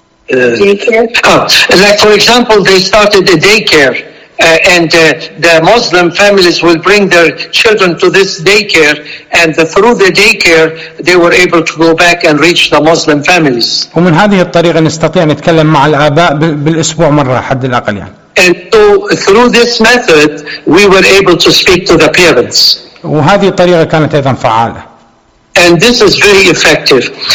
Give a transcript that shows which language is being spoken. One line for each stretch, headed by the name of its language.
English: Like for example, they started a daycare, and the Muslim families will bring their children to this daycare, and through the daycare, they were able to go back and reach the Muslim families.
Arabic: ومن هذه الطريقة نستطيع نتكلم مع الآباء بالأسبوع مرة حد الأقل يعني.
English: And so through this method, we were able to speak to the parents.
Arabic: وهذه الطريقة كانت أيضا فعالة.
English: And this is very effective.